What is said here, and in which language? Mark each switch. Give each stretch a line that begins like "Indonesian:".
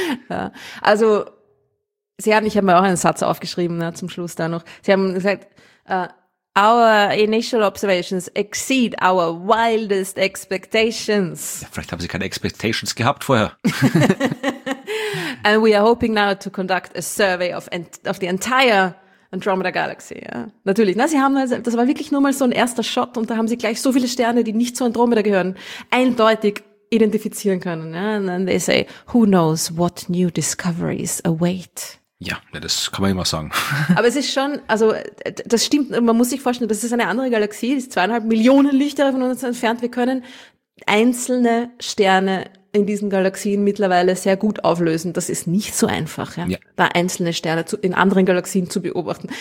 German: Ja. Also, sie haben, ich habe mir auch einen Satz aufgeschrieben, ne, zum Schluss da noch. Sie haben gesagt,
English: our initial observations exceed our wildest expectations.
German: Ja, vielleicht haben sie keine Expectations gehabt vorher.
English: And we are hoping now to conduct a survey of the entire Andromeda Galaxy,
German: ja. Natürlich. Na, sie haben, das war wirklich nur mal so ein erster Shot und da haben sie gleich so viele Sterne, die nicht zu Andromeda gehören, eindeutig identifizieren können, ja.
English: And then they say, who knows what new discoveries await?
German: Ja, das kann man immer sagen. Aber es ist schon, also, das stimmt, man muss sich vorstellen, das ist eine andere Galaxie, die ist 2,5 Millionen Lichtjahre von uns entfernt. Wir können einzelne Sterne in diesen Galaxien mittlerweile sehr gut auflösen. Das ist nicht so einfach, ja. Da einzelne Sterne in anderen Galaxien zu beobachten.